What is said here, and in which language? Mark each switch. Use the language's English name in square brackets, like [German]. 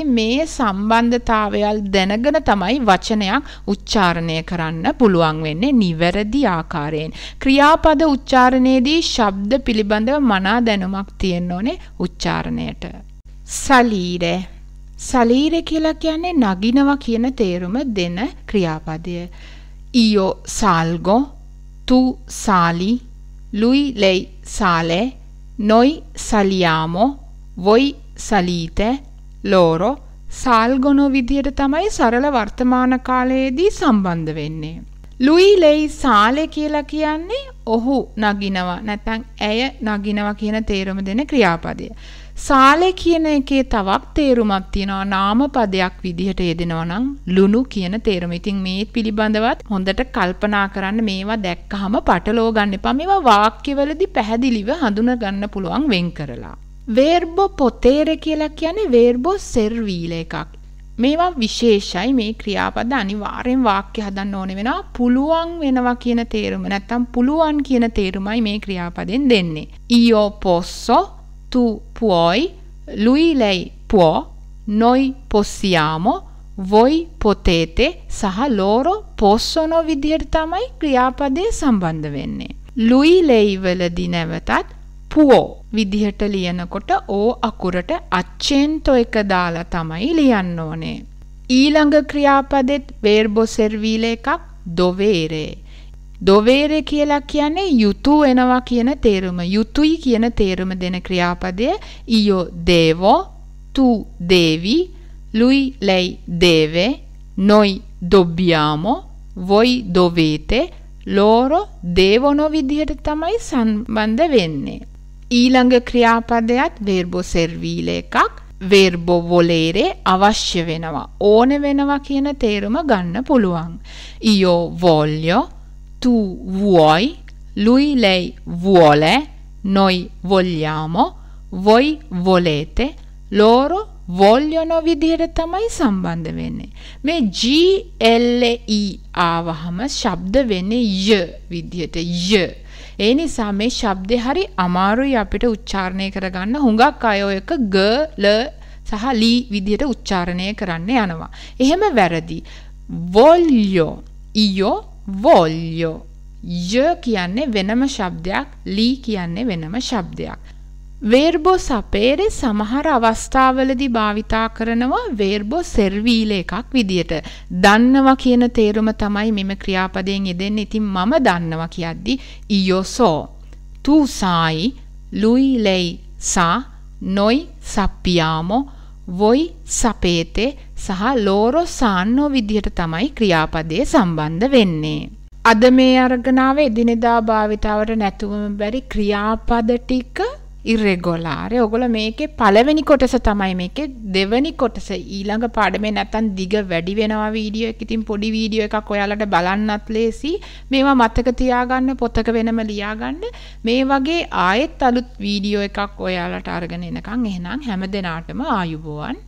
[Sinhala] ඉතින් මේ සම්බන්ධතාවයල් දැනගෙන තමයි වචනයක් උච්චාරණය කරන්න පුළුවන් වෙන්නේ නිවැරදි ආකාරයෙන්. ක්‍රියාපද උච්චාරණයේදී ශබ්ද පිළිබඳව මනා දැනුමක් තියෙන්න ඕනේ උච්චාරණයට. Salire. Salire කියලා කියන්නේ නගිනවා කියන තේරුම දෙන ක්‍රියාපදය. [Italian] Io salgo, tu sali, lui lei sale, noi saliamo, voi salite, loro salgono [Sinhala] විදියට තමයි සරල වර්තමාන කාලයේදී සම්බන්ධ වෙන්නේ. [Italian] Lui lei sale [Sinhala] කියලා කියන්නේ ඔහු නගිනවා නැත්නම් ඇය නගිනවා කියන තේරුම දෙන ක්‍රියාපදය. Sale කියන එකේ තවක් තේරුමක් තියෙනවා නාම පදයක් විදිහට යෙදෙනවා නම් ලුණු කියන තේරුම. ඉතින් මේ පිළිබඳවත් හොඳට කල්පනා කරන්න මේවා දැක්කහම පටලෝ ගන්න එපා. මේවා වාක්‍යවලදී පැහැදිලිව හඳුනා ගන්න පුළුවන් වෙන් කරලා. [Italian] Verbo potere [Sinhala] කියලා කියන්නේ [Italian] verbo servile එකක්. [Sinhala] මේවා විශේෂයි මේ ක්‍රියාපද අනිවාර්යෙන් වාක්‍ය හදන්න ඕනේ වෙනවා. පුළුවන් වෙනවා කියන තේරුම නැත්තම් පුළුවන් කියන තේරුමයි මේ ක්‍රියාපදෙන් දෙන්නේ. [Italian] Io posso Tu puoi, lui lei può, noi possiamo, voi potete, saha loro possono [Sinhala] විදියට තමයි ක්‍රියාපදේ සම්බන්ධ වෙන්නේ. Lui lei වලදී නැවතත් può විදියට ලියනකොට o අකුරට accento එක දාලා තමයි ලියන්න ඕනේ. ඊළඟ ක්‍රියාපදෙත් verbo servile එකක් dovere. Dovere කියලා කියන්නේ යුතුය වෙනවා කියන තේරුම. යුතුයි කියන තේරුම දෙන ක්‍රියාපදය [Italian] io devo, tu devi, lui lei deve, noi dobbiamo, voi dovete, loro devono [Sinhala] විදිහට තමයි සම්බන්ධ වෙන්නේ. ඊළඟ ක්‍රියාපදයත් verbo servile එකක් verbo volere අවශ්‍ය වෙනවා. ඕන වෙනවා කියන තේරුම ගන්න පුළුවන්. [Italian] Io voglio Tu vuoi, lui lei vuole, noi vogliamo, voi volete, loro vogliono [Sinhala] විදියට තමයි සම්බන්ධ වෙන්නේ. මේ G L I ආවහම ශබ්ද වෙන්නේ ය විදියට ය. ඒ නිසා මේ ශබ්දේ හරි අමාරුයි අපිට උච්චාරණය කරගන්න. හුඟක් අය ඔයක ග ල සහ ලී විදියට උච්චාරණය කරන්න යනවා. එහෙම වැරදි. [Italian] Voglio io Voglio. [Sinhala] Io කියන්නේ වෙනම ශබ්දයක්, ලී කියන්නේ වෙනම ශබ්දයක්. Verbo sapere සමහර අවස්ථාවලදී භාවිතා කරනවා verbo servile එකක් විදියට. දන්නවා කියන තේරුම තමයි මෙම ක්‍රියාපදයෙන් යෙදෙන්නේ. ඉතින් මම දන්නවා කියද්දි [Italian] io so. Tu sai, lui lei sa, noi sappiamo, voi sapete. [Sinhala] සහ [Italian] loro sanno [Sinhala] විදියට තමයි ක්‍රියාපදයේ සම්බන්ධ වෙන්නේ. අද මේ අරගෙනාවේ දිනදා භාවිතාවට නැතුවම බැරි ක්‍රියාපද ටික ඉරෙගොලාරය ඔගොල මේකෙ පළවෙනි කොටස තමයි මේකෙ දෙවැනි කොටස ඊළඟ පාඩමේ නැත්තන් දිග වැඩි වෙනවා වීඩියෝ එක ඉතින් පොඩි වීඩියෝ එකක් ඔයාලට බලන්නත් ලේසි මේවා මතක තියාගන්න පොතක වෙනම ලියාගන්න මේ වගේ ආයෙත් අලුත් වීඩියෝ එකක් ඔයාලට අරගෙන එනකන් එහෙනම් හැම දිනාටම ආයුබෝවන්.